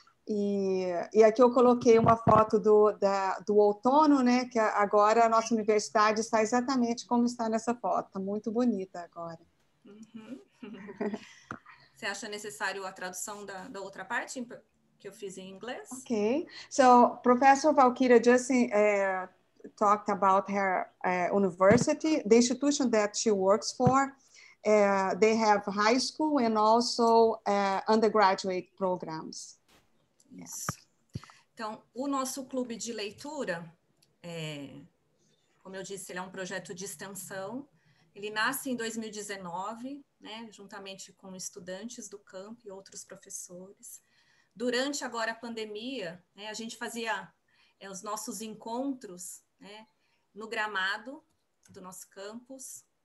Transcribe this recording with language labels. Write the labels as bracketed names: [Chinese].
[Portuguese] E aqui eu coloquei uma foto do outono, né? Que agora a nossa universidade está exatamente como está nessa foto. Tá muito bonita agora. Você acha necessário a tradução da outra parte que eu fiz em inglês? [English] Okay, so Professor Valkyria just talked about her university, the institution that she works for. They have high school and also undergraduate programs. [Portuguese] Isso. Então, o nosso clube de leitura, como eu disse, ele é um projeto de extensão. Ele nasce em 2019, né, juntamente com estudantes do campo e outros professores. Durante agora a pandemia, né, a gente fazia os nossos encontros, né, no gramado do nosso campus.